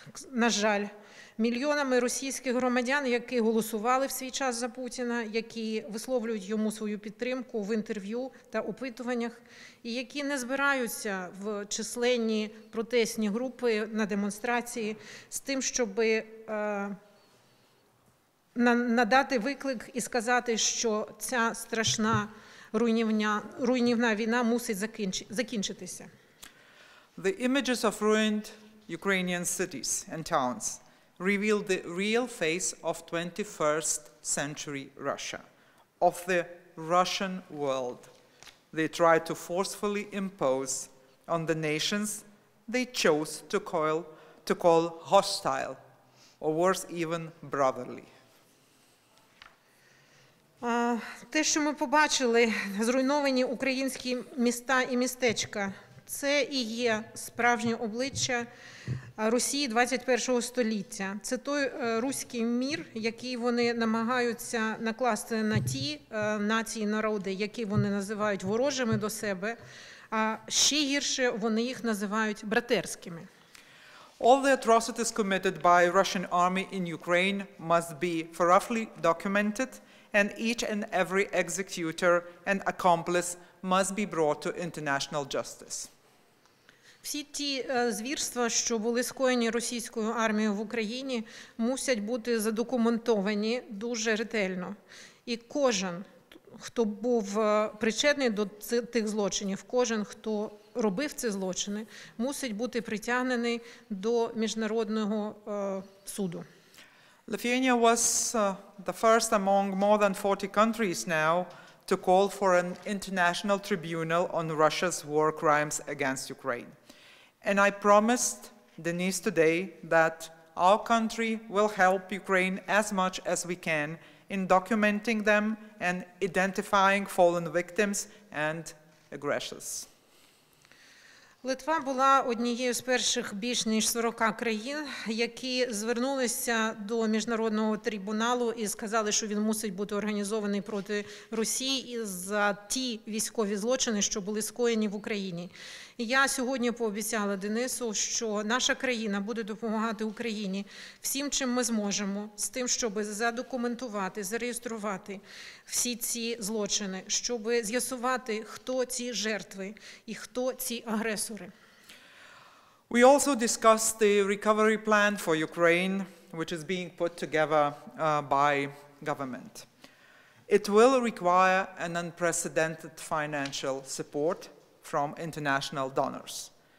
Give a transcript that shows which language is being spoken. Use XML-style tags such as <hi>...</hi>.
<uk>на жаль, мільйонами російських громадян, які голосували в свій час за Путіна, які висловлюють йому свою підтримку в інтерв'ю та опитуваннях, і які не збираються в численні протестні групи на демонстрації з тим, щоб надати виклик і сказати, що ця страшна руйнівна війна мусить закінчитися.</uk> <en>The images of ruined Ukrainian cities and towns revealed the real face of 21st century Russia, of the Russian world they tried to forcefully impose on the nations they chose to call hostile, or worse even, brotherly.</en> <uk>Те, що ми побачили, зруйновані українські міста і містечка, це і є справжнє обличчя Росії 21-го століття. Це той руський мір, який вони намагаються накласти на ті нації, народи, які вони називають ворожими до себе, а ще гірше, вони їх називають братерськими.</uk> <en>All the atrocities committed by Russian army in Ukraine must be thoroughly documented, and each and every executor and accomplice must be brought to international justice.</en> <uk>Всі ті звірства, що були скоєні російською армією в Україні, мусять бути задокументовані дуже ретельно. І кожен, хто був причетний до тих злочинів, кожен, хто робив ці злочини, мусить бути притягнений до міжнародного суду.</uk> <en>Lithuania was the first among more than 40 countries now to call for an international tribunal on Russia's war crimes against Ukraine. And I promised Denise today that our country will help Ukraine as much as we can in documenting them and identifying fallen victims and aggressors.</en> <uk>Литва була однією з перших більш ніж 40 країн, які звернулися до міжнародного трибуналу і сказали, що він мусить бути організований проти Росії за ті військові злочини, що були скоєні в Україні. І я сьогодні пообіцяла Денису, що наша країна буде допомагати Україні всім, чим ми зможемо, з тим, щоб задокументувати, зареєструвати всі ці злочини, щоб з'ясувати, хто ці жертви і хто ці агресори.</uk> <en>We also discussed the recovery plan for Ukraine, which is being put together by government. It will require an unprecedented financial support from international donors.</en>